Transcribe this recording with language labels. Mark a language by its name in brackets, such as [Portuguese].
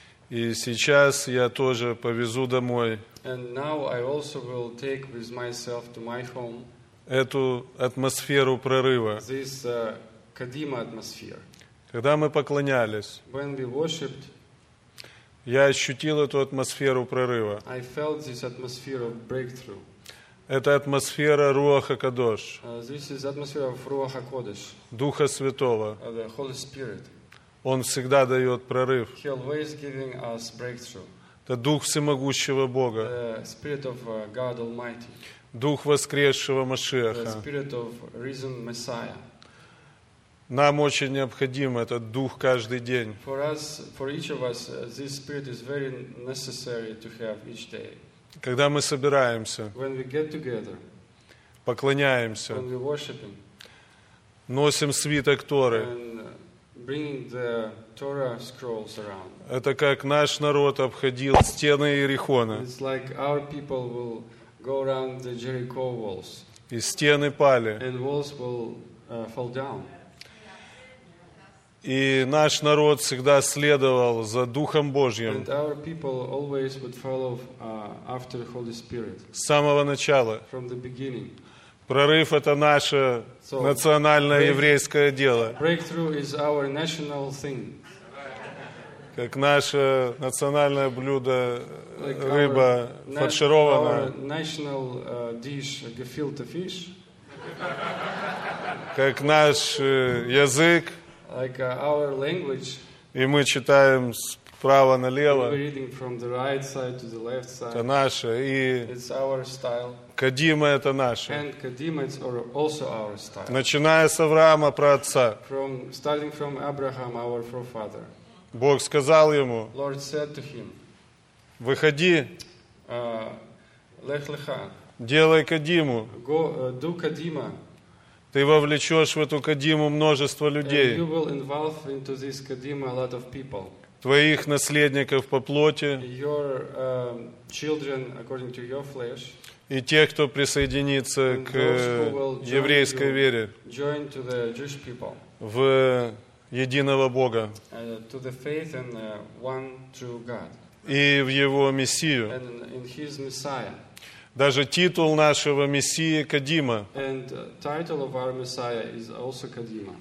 [Russian] И сейчас я тоже повезу домой [English] And now I also will take with myself to my home [Russian] эту атмосферу прорыва. [English] This, Kadima atmosphere. [Russian] Когда мы поклонялись, [English] When we worshiped, [Russian] я ощутил эту атмосферу прорыва. [English] I felt this atmosphere of breakthrough. [Russian] Это атмосфера Руаха Кадош. [English] This is atmosphere of Ruach HaKodesh, [Russian] Духа Святого. [English] The Holy Spirit. [Russian] Он всегда дает прорыв. [English] He always giving us breakthrough. [Russian] Это Дух Всемогущего Бога. [English] The Spirit of God Almighty. [Russian] Дух Воскресшего Машиаха. [English] The Spirit of Risen Messiah. [Russian] Нам очень необходим этот Дух каждый день. [English] For us, for each of us, this Spirit is very necessary to have each day. [Russian] Когда мы собираемся, [English] When we get together, [Russian] поклоняемся, [English] when we worshiping, [Russian] носим свиток Торы, [English] Bringing the Torah scrolls around. [Russian] Это как наш народ обходил стены Иерихона. [English] It's like our people will go around the Jericho walls. [Russian] И стены пали. [English] And walls will fall down. [Russian] И наш народ всегда следовал за Духом Божьим. [English] And our people always would follow after Holy Spirit. [Russian] С самого начала. [English] From the beginning. [Russian] Прорыв – это наше национальное еврейское дело. [English] Breakthrough is our national thing. [Russian] Как наше национальное блюдо рыба фарширована. [English] Our national dish, gefilte fish. [Russian] Как наш язык. [English] Like our language. [Russian] И мы читаем справа налево. [English] We're reading from the right side to the left side. [Russian] Это наше. И [English] it's our style. [Russian] Кадима – это наше. [English] And Kadima is also our style. [Russian] Начиная с Авраама, праотца. [English] From, starting from Abraham, our forefather. [Russian] Бог сказал ему, [English] Lord said to him, [Russian] выходи, [Hebrew] Лех Леха, [Russian] делай Кадиму. [English] Go, do Kadima. [Russian] Ты вовлечешь в эту Кадиму множество людей. [English] And you will involve into this Kadima a lot of people. [Russian] Твоих наследников по плоти. [English] Your children, according to your flesh. [Russian] И те, кто присоединится [English] And [Russian] к еврейской [English] you, [Russian] вере [English] join to the Jewish people. [Russian] В единого Бога [English] to the faith and one true God. [Russian] И в Его Мессию. [English] And in his Messiah. [Russian] Даже титул нашего Мессии – Кадима. [English] And title of our Messiah is also Kadima.